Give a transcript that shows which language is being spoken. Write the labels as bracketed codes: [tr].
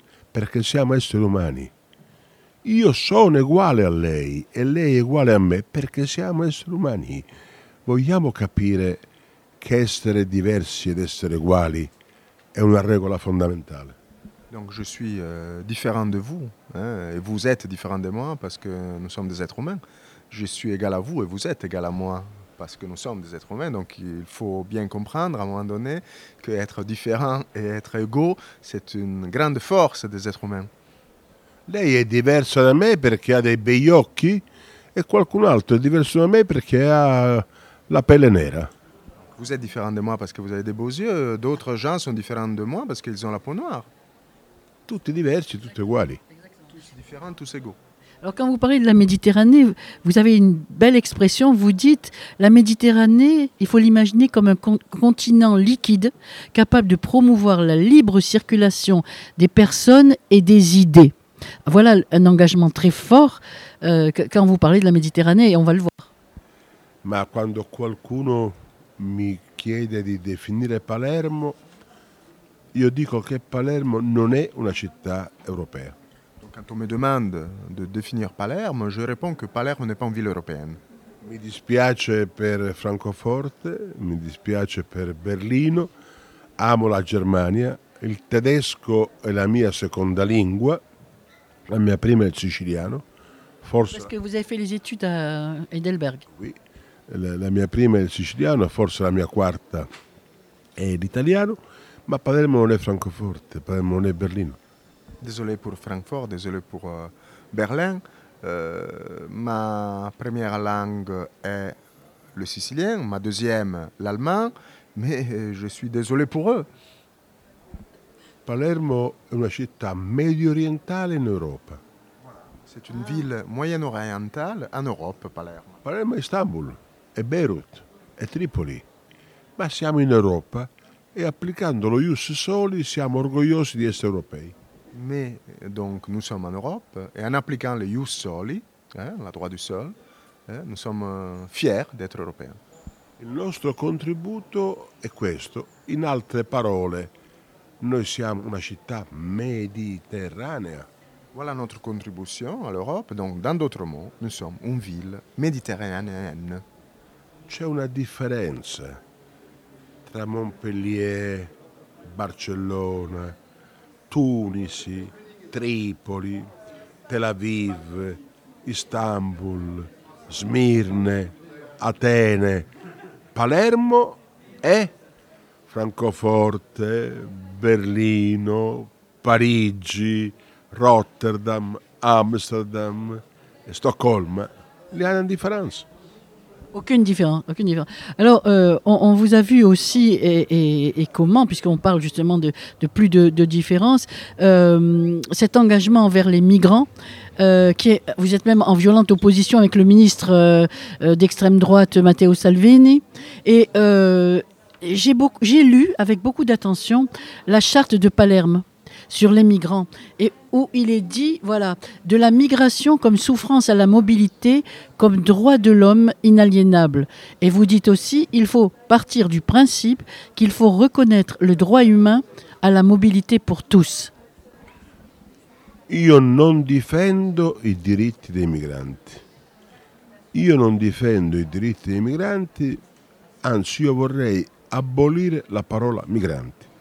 [it] Perché siamo esseri umani. Io sono uguale a lei e lei è uguale a me perché siamo esseri umani. Vogliamo capire che essere diversi ed essere uguali è una regola fondamentale. [fr] Donc je suis différent de vous, hein, et vous êtes différent de moi parce que nous sommes des êtres humains. Je suis égal à vous et vous êtes égal à moi parce que nous sommes des êtres humains. Donc il faut bien comprendre à un moment donné qu'être différent et être égaux, c'est une grande force des êtres humains. [it] Lei è diversa da me perché ha dei bei occhi e qualcun altro è diverso da me perché ha la pelle nera. [fr] Vous êtes différent de moi parce que vous avez des beaux yeux. D'autres gens sont différents de moi parce qu'ils ont la peau noire. [it] Tutti diversi, tutti uguali. [fr] Tous différents, tous égaux. Alors quand vous parlez de la Méditerranée, vous avez une belle expression, vous dites « La Méditerranée, il faut l'imaginer comme un continent liquide capable de promouvoir la libre circulation des personnes et des idées ». Voilà un engagement très fort quand vous parlez de la Méditerranée, et on va le voir. [it] Ma quando qualcuno mi chiede di definire Palermo, io dico che Palermo non è una città europea. [fr] Quand on me demande de définir Palerme, je réponds que Palerme n'est pas une ville européenne. [it] Mi dispiace per Francoforte, mi dispiace per Berlino, amo la Germania, il tedesco è la mia seconda lingua, la mia prima è il siciliano, forse... Perché [fr] vous avez fait les études à Heidelberg. Oui, [it] la mia prima è il siciliano, forse la mia quarta è l'italiano, ma Palermo non è Francoforte, Palermo non è Berlino. [fr] Désolé pour Francfort, désolé pour Berlin, ma première langue est le sicilien, ma deuxième l'allemand, mais je suis désolé pour eux. [it] Palermo è una città medio orientale in Europa. [fr] C'est une ville moyen orientale en Europe, Palermo. [it] Palermo è Istanbul, è Beirut, è Tripoli, ma siamo in Europa e applicando lo ius soli siamo orgogliosi di essere europei. [fr] Mais donc nous sommes en Europe et en appliquant le ius soli, la droit du sol, nous sommes fiers d'être européens. [it] Il nostro contributo è questo. In altre parole, noi siamo una città mediterranea. [fr] Voilà notre contribution à l'Europe. Donc, dans d'autres mots, nous sommes une ville méditerranéenne. [it] C'è una differenza tra Montpellier, Barcellona, Tunisi, Tripoli, Tel Aviv, Istanbul, Smirne, Atene, Palermo e Francoforte, Berlino, Parigi, Rotterdam, Amsterdam e Stoccolma. Le hanno in differenza. [fr] Aucune différence, aucune différence. Alors, on vous a vu aussi, et comment, puisqu'on parle justement de plus de différence, cet engagement envers les migrants, vous êtes même en violente opposition avec le ministre d'extrême droite, Matteo Salvini, et j'ai lu avec beaucoup d'attention la charte de Palerme sur les migrants, et où il est dit, voilà, de la migration comme souffrance à la mobilité, comme droit de l'homme inaliénable. Et vous dites aussi, il faut partir du principe qu'il faut reconnaître le droit humain à la mobilité pour tous. [it] Io non difendo i diritti dei migranti. Io non difendo i diritti dei migranti, anzi io vorrei abolire la parola migrante.